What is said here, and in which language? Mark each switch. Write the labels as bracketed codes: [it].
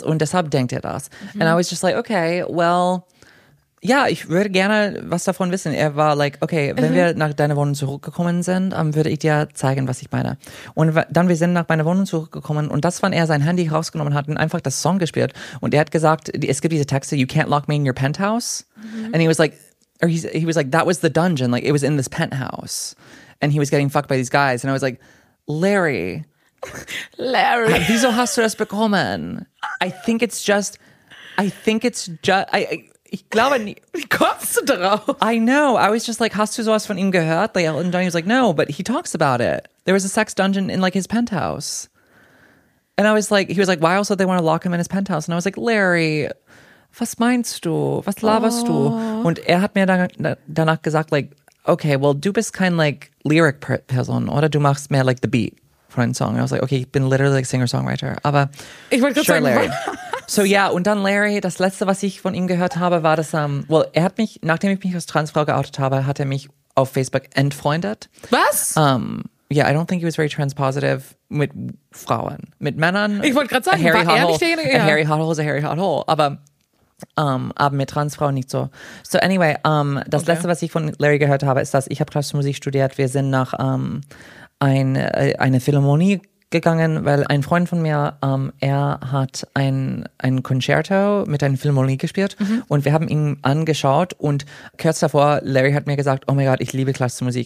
[de] Und deshalb denkt er das. Mhm. [en] And I was just like, okay, well, [de] ja, ich würde gerne was davon wissen. Er war like, okay, wenn wir nach deiner Wohnung zurückgekommen sind, würde ich dir zeigen, was ich meine. Und dann, wir sind nach meiner Wohnung zurückgekommen und das, wann er sein Handy rausgenommen hat und einfach das Song gespielt. Und er hat gesagt, es gibt diese Texte, [en] you can't lock me in your penthouse. [de] Mhm. [en] And he was like, that was the dungeon, like it was in this penthouse. And he was getting fucked by these guys. And I was like, [de] Larry. Wieso hast du das bekommen? [en] I think it's just, [de] wie kommst du darauf? [en] I know. I was just like, [de] hast du sowas von ihm gehört? [en] Like, Elton John, he was like, no, but he talks about it. There was a sex dungeon in like his penthouse. And I was like, he was like, why else would they want to lock him in his penthouse? And I was like, Larry, [de] was meinst du? Was laberst du? Und hat mir danach gesagt, like, okay, well, du bist kein like lyric person, oder du machst mehr like [en] the beat for a song. I was like, okay, [de] ich bin [en] literally like singer-songwriter. Aber [de] ich wollte sure, Larry. So ja, und dann Larry, das Letzte, was ich von ihm gehört habe, war, dass nachdem ich mich als Transfrau geoutet habe, hat er mich auf Facebook entfreundet. Was? [en] Yeah, I don't think he was very transpositive [de] mit Frauen. Mit Männern. Ich wollte gerade sagen, war er nicht derjenige? [en] A hairy hothole is a hairy hothole. [de] Aber mit Transfrauen nicht so. [en] So anyway, [de] das Letzte, was ich von Larry gehört habe, ist, dass ich habe klassische Musik studiert. Wir sind nach eine Philharmonie gegangen, weil ein Freund von mir, er hat ein Concerto mit einer Philharmonie gespielt und wir haben ihn angeschaut und kurz davor, Larry hat mir gesagt, [en] oh my god, [de] ich liebe klassische Musik.